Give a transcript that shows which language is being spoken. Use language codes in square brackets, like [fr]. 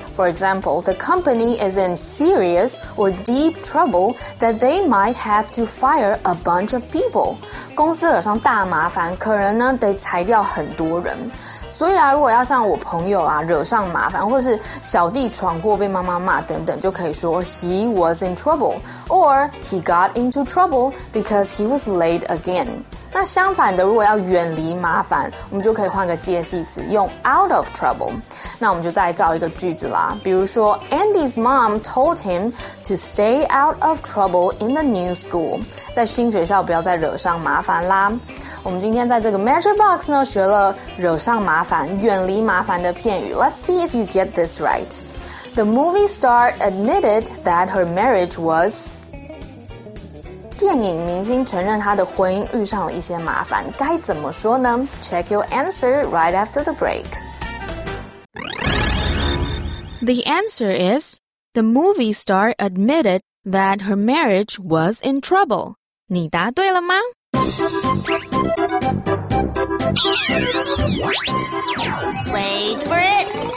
[en] For example, the company is in serious or deep trouble that they might have to fire a bunch of people. [zh] 公司惹上大麻烦，可能呢得裁掉很多人。所以啊，如果要像我朋友啊惹上麻烦，或是小弟闯祸被妈妈骂等等，就可以说 [en] he was in trouble, or he got into trouble because he was late again. [zh] 那相反的，如果要远离麻烦，我们就可以换个介系词，用 out of trouble。那我们就再造一个句子啦，比如说 [en] Andy's mom told him to stay out of trouble in the new school， [zh] 在新学校不要再惹上麻烦啦。我们今天在这个 Measure Box 呢，学了惹上麻烦、远离麻烦的片语。 [en] Let's see if you get this right. The movie star admitted that her marriage was. [zh] 电影明星承认他的婚姻遇上了一些麻烦，该怎么说呢？ [en] Check your answer right after the break. The answer is, the movie star admitted that her marriage was in trouble. [zh] 你答对了吗？ [en] Wait for it!